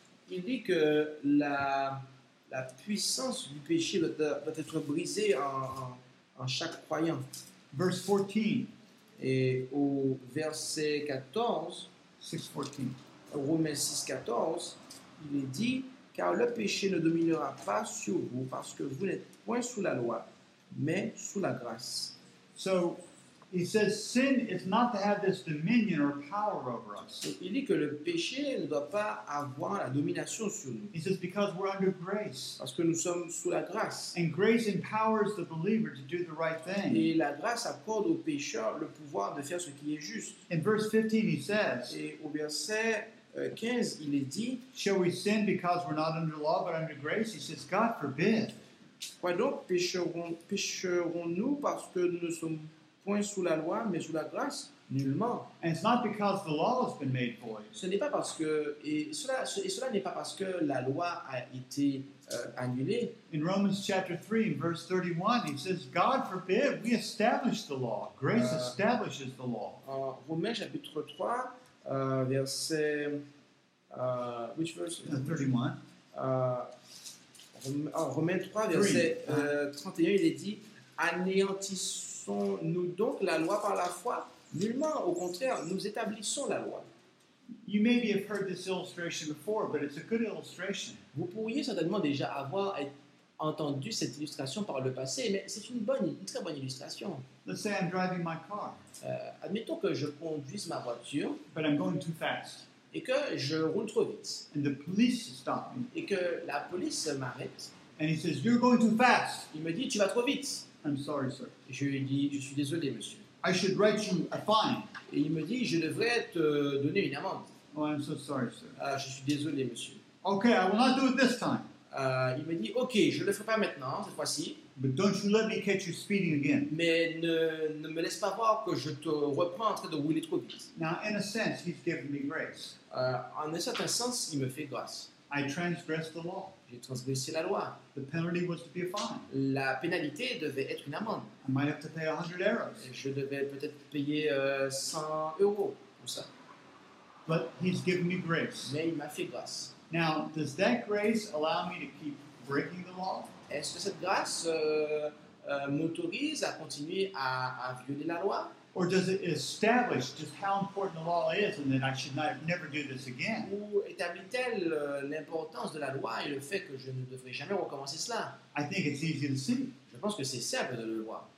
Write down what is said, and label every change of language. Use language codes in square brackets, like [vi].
[fr] Il dit que la puissance du péché va être brisée en chaque croyant. [en] Verse 14. [fr] Et au verset 14, [en] 6:14. [fr] Romains 6, 14, il est dit, car le péché ne dominera pas sur vous parce que vous n'êtes point sous la loi, mais sous la grâce. [en] So, he says, sin is not to have this dominion or power over us. So, [fr] il dit que le péché ne doit pas avoir la domination sur nous. [en] He says, because we're under grace. [fr] Parce que nous sommes sous la grâce. [en] And grace empowers the believer to do the right thing. [fr] Et la grâce accorde au pécheur le pouvoir de faire ce qui est juste. [en] In verse 15, he says, [fr] et au verset 15, il est dit, [en] shall we sin because we're not under law but under grace? He says, God forbid. [fr] Quoi donc, pécherons-nous parce que nous ne sommes point sous la loi, mais sous la grâce, nullement. [en] And it's not because the law has been made void. [fr] Ce n'est pas parce que et cela n'est pas parce que la loi a été annulée. [en] In Romans chapter 3, verse 31, he says, God forbid, we establish the law. Grace establishes the law. [fr] En Romains chapitre 3, verset [en] which verse? [fr] 31. Romains 3, verset 31, il est dit, anéantissons nous donc la loi par la foi? Nullement, au contraire, nous établissons la loi. [en] You maybe have heard this illustration before, but it's a good illustration. [fr] Vous pourriez certainement déjà avoir entendu cette illustration par le passé, mais c'est une très bonne illustration. [en] Let's say I'm driving my car. [fr] Admettons que je conduise ma voiture, [en] but I'm going too fast. [fr] Et que je roule trop vite. [en] And the police stop me. [fr] Et que la police m'arrête. [en] And he says, "You're going too fast." [fr] Il me dit, tu vas trop vite. [en] I'm sorry, sir. [fr] Je lui dis, je suis désolé, monsieur. [en] I should write you a fine. [fr] Et il me dit, je devrais te donner une amende. [en] Oh, I'm so sorry, sir. [fr] Je suis désolé, monsieur. [en] Okay, I will not do it this time. [fr] Il me dit, ok, je le ferai pas maintenant, cette fois-ci. [en] But don't you let me catch you speeding again. [fr] Mais ne me laisse pas voir que je te reprends en train de rouler trop vite. [en] Now, in a sense, he's given me grace. [fr] En un certain sens, il me fait grâce. [en] I transgressed the law. [fr] J'ai transgressé la loi. [en] The penalty was to be a fine. [fr] La pénalité devait être une amende. [en] I might have to pay 100 euros. [fr] Et je devais peut-être payer 100 euros pour ça. [en] But he's given me grace. [fr] Mais il m'a fait grâce. [en] Now, does that grace allow me to keep breaking the law? [fr] Est-ce que cette grâce m'autorise à continuer à violer la loi? [en] Or does it establish just how important the law is and that I should not, never do this again? [fr] Ou établit-elle l'importance de la loi et le fait que je ne devrais jamais recommencer cela? [en] I think it's easy to see. [fr] Je pense que c'est simple de le voir.